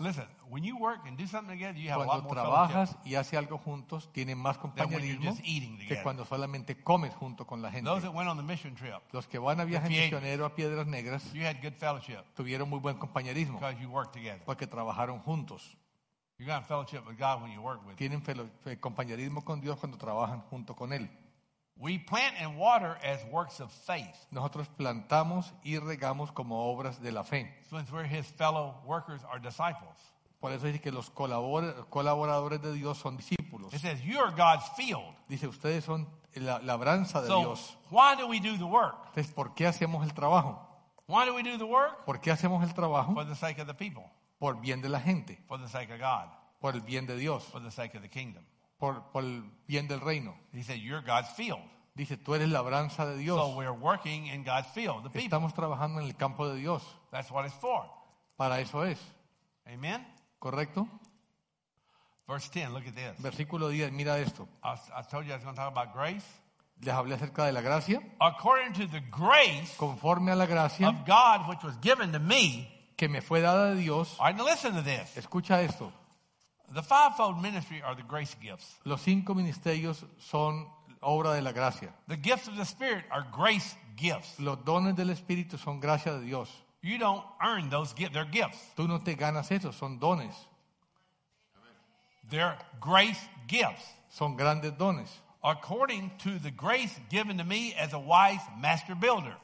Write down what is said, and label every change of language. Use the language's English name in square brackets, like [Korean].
[English] Listen, when you work and do something together, you have [Spanish] cuando [English] a lot more [Spanish] trabajas [English] fellowship. [Spanish] Y haces algo juntos, tienen más compañerismo [English] than when you're just eating together. [Spanish] Que cuando solamente comes junto con la gente. [English] Those that went on the mission trip, [Spanish] los que van a viaje misionero a Piedras Negras, [English] you had good fellowship. [Spanish] Tuvieron muy buen compañerismo. [English] Because you worked together. [Spanish] Porque trabajaron juntos. [English] You got fellowship with God when you work with. [Spanish] Tienen compañerismo con Dios cuando trabajan junto con él. [English] We plant and water as works of faith. [Spanish] Nosotros plantamos y regamos como obras de la fe. [English] Since we're His fellow workers, our disciples. [Spanish] Por eso dice que los colaboradores de Dios son discípulos. [English] It says, you're God's field. [Spanish] Dice, ustedes son la labranza de Dios. [English] Why do we do the work? [Spanish] Entonces, ¿por qué hacemos el trabajo? [English] Why do we do the work? [Spanish] ¿Por qué hacemos el trabajo? [English] For the sake of the people. [Spanish] Por bien de la gente. [English] For the sake of God. [Spanish] Por el bien de Dios. [English] For the sake of the kingdom. [Spanish] Por el bien del reino. [English] He said, you're God's field. [Spanish] Dice, tú eres labranza de Dios. [English] So we're working in God's field, the people. [Spanish] Estamos trabajando en el campo de Dios. [English] That's what it's for. [Spanish] Para eso es. [English] Amen. [Spanish] Correcto. [English] Verse 10, look at this. [Spanish] Versículo 10, mira esto. [English] I told you I was going to talk about grace. [Spanish] Les hablé acerca de la gracia. [English] According to the grace, [Spanish] conforme a la gracia, [English] of God, which was given to me, [Spanish] que me fue dada de Dios. [English] All right, now listen to this. [Spanish] Escucha esto. [English] The fivefold ministry are the grace gifts. [Spanish] Los cinco ministerios son obra de la gracia. [English] The gifts of the Spirit are grace gifts. [Spanish] Los dones del Espíritu son gracia de Dios. [English] You don't earn those gifts. They're gifts. [Spanish] Tú no te ganas eso. Son dones. [English] They're grace gifts. [Spanish] Son grandes dones. [English] According to the grace given to me as a wise master builder.